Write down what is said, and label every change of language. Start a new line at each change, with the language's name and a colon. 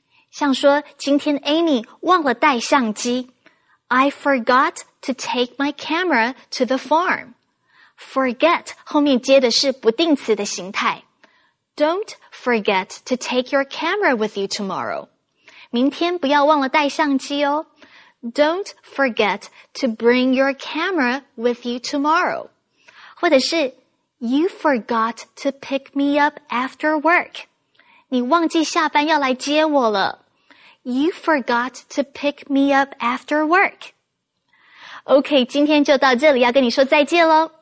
Chinese: 像说今天 Amy 忘了带相机。
English: I forgot to take my camera to the farm.
Chinese: Forget 后面接的是不定词的形态。
English: Don't forget to take your camera with you tomorrow.
Chinese: 明天不要忘了带相机哦。
English: Don't forget to bring your camera with you tomorrow.
Chinese: 或者是
English: You forgot to pick me up after work.
Chinese: 你忘记下班要来接我了。
English: You forgot to pick me up after work.
Chinese: OK, 今天就到这里要跟你说再见咯。